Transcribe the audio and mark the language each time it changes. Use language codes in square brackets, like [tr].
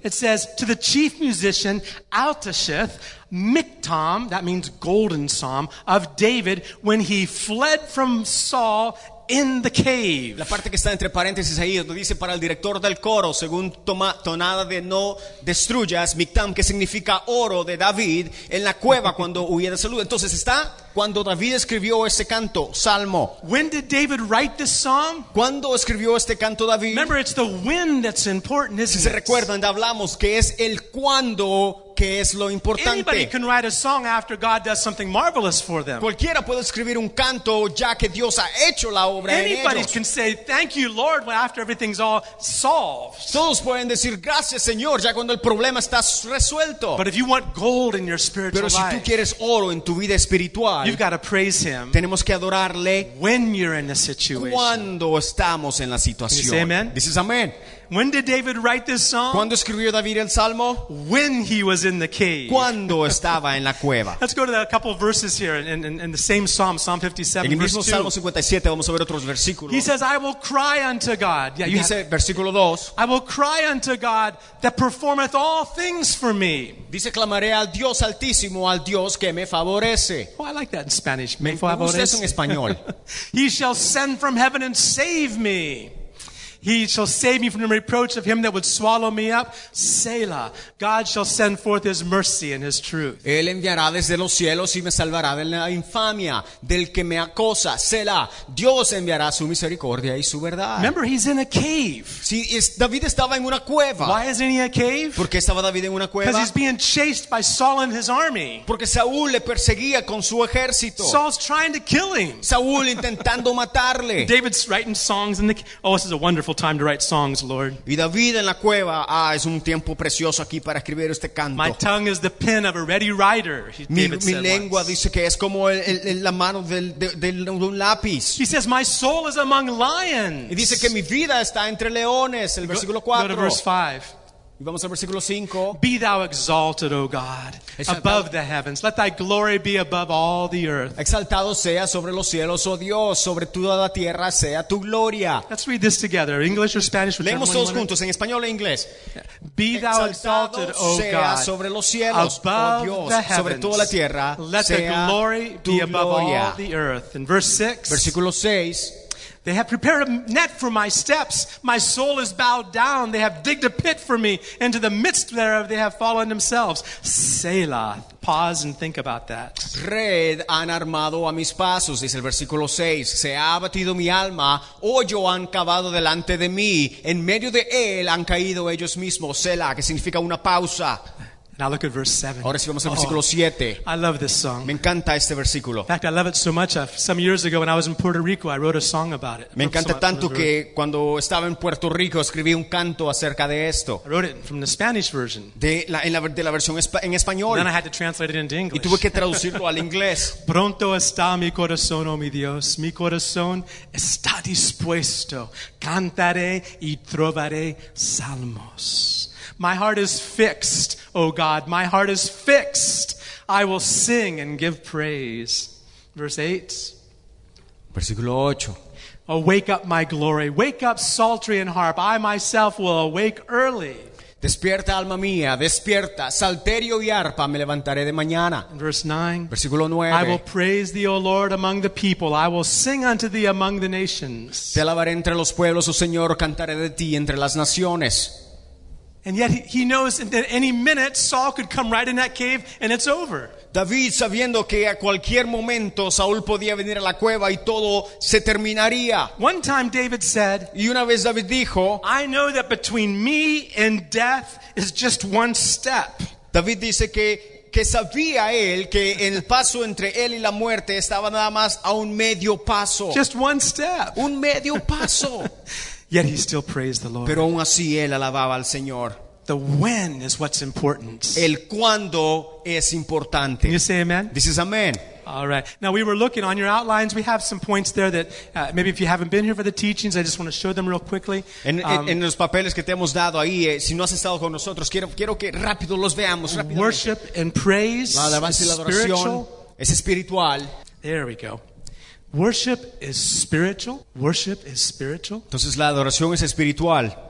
[en] It says to the chief musician Altasheth, Miktam, that means golden psalm of David when he fled from Saul in the cave. [es] La parte que está entre paréntesis ahí donde dice para el director del coro según tonada de no destruyas Miktam, que significa oro de David en la cueva cuando huía de salud. Entonces está cuando David escribió ese canto, salmo. [en] When did David write this psalm? [es] ¿Cuándo escribió este canto David? [en] Remember, it's the when that's important, isn't it? [es] Si se recuerdan, hablamos que es el cuándo que es lo importante. [en] Anybody can write a song after God does something marvelous for them. [es] Cualquiera puede escribir un canto ya que Dios ha hecho la obra en ellos. [en] Anybody can say thank you, Lord, after everything's all solved. [es] Todos pueden decir gracias, Señor, ya cuando el problema está resuelto. [en] But if you want gold in your spiritual [es] life, pero si tú quieres oro en tu vida espiritual, [en] you've got to praise him. [es] Tenemos que adorarle [en] when you're in the situation. [es] Cuando estamos en la situación. [en] Can you say amen? This is amen. When did David write this song? [es] ¿Cuándo escribió David el salmo? [en] When he was in the cave. [es] Cuando estaba en la cueva. [en] Let's go to a couple of verses here in the same psalm, Psalm 57. [es] En el mismo salmo 57 vamos a ver otros versículos. [en] He says, "I will cry unto God." [es] Yeah, dice versículo 2. [en] "I will cry unto God that performeth all things for me." [es] Dice clamaré al Dios altísimo, al Dios que me favorece. [en] Oh, I like that in Spanish. [es] Me favorece. En español. [en] He shall send from heaven and save me. He shall save me from the reproach of him that would swallow me up. Selah. God shall send forth his mercy and his truth. [es] Él enviará desde los cielos y me salvará de la infamia del que me acosa. Selah. Dios enviará su misericordia y su verdad. [en] Remember, he's in a cave. [es] Sí, David estaba en una cueva. [en] Why isn't he a cave? [es] ¿Por qué estaba David en una cueva? [en] Because he's being chased by Saul and his army. [es] Porque Saúl le perseguía con su ejército. [en] Saul's trying to kill him. [es] Saúl intentando matarle. [en] David's writing songs in the cave. Oh, this is a wonderful time to write songs, Lord. [es] Y David en la cueva, es un tiempo precioso aquí para escribir este canto. [en] My tongue is the pen of a ready writer. [es] Mi lengua dice que es como la mano de un lápiz. [en] He says, "My soul is among lions." [es] Y dice que mi vida está entre leones. El versículo 4. [en] Go to verse 5. [es] Y vamos al versículo 5. [en] Be thou exalted, O God, above the heavens. Let thy glory be above all the earth. [es] Exaltado sea sobre los cielos, oh Dios, sobre toda la tierra sea tu gloria. [en] Let's read this together, English or Spanish, whichever one. [es] Leemos todos juntos en español e inglés. [en] Be thou exalted, O God, [es] sobre los cielos, [en] above [es] oh Dios, [en] the heavens. [es] Sobre toda la tierra [en] let [es] sea [en] the glory [es] tu [en] be [es] gloria. [en] Above all the earth. In verse 6. [es] Versículo 6. [en] They have prepared a net for my steps. My soul is bowed down. They have digged a pit for me. Into the midst thereof they have fallen themselves. Selah. Pause and think about that. [es] Red han armado a mis pasos, dice el versículo 6. Se ha abatido mi alma. Hoyo han cavado delante de mí. En medio de él han caído ellos mismos. Selah, que significa una pausa. [en] Now look at verse 7. [es] Ahora sí vamos al versículo 7. [en] I love this song. [es] Me encanta este versículo. [en] In fact, I love it so much. Some years ago when I was in Puerto Rico, I wrote a song about it. [es] Me encanta tanto que cuando estaba en Puerto Rico escribí un canto acerca de esto. [en] I wrote it from the Spanish version. [es] De la versión en español. [en] And then I had to translate it into English. [es] Y tuve que traducirlo al inglés. Pronto está mi corazón, oh mi Dios. Mi corazón está dispuesto. Cantaré y trovaré salmos. [en] My heart is fixed, O God, my heart is fixed. I will sing and give praise. Verse 8. [es] Versículo 8. [en] Awake up my glory, wake up psaltery and harp. I myself will awake early. [es] Despierta alma mía, despierta, salterio y arpa me levantaré de mañana. [en] Verse 9. [es] Versículo 9. [en] I will praise thee, O Lord, among the people. I will sing unto thee among the nations. [es] Te alabaré entre los pueblos, oh Señor, cantaré de ti entre las naciones. [en] And yet he knows that any minute Saul could come right in that cave and it's over. [es] David, sabiendo que a cualquier momento Saúl podía venir a la cueva y todo se terminaría. [en] One time David said, [es] y una vez David dijo, [en] I know that between me and death is just one step. [es] David dice que sabía él que el paso entre él y la muerte estaba nada más a un medio paso. [en] Just one step. [es] Un medio paso. [en] Yet he still praised the Lord. [es] Pero aún así él alababa al Señor. [en] The when is what's important. [es] El cuándo es importante. [en] Can you say amen? This is amen. All right. Now we were looking on your outlines. We have some points there that maybe if you haven't been here for the teachings, I just want to show them real quickly. [es] En los papeles que te hemos dado ahí, si no has estado con nosotros, quiero que rápido los veamos. [en] Worship and praise. [es] La alabanza y la adoración es espiritual. [en] There we go. Worship is spiritual. Worship is spiritual. [es] Entonces la adoración es espiritual.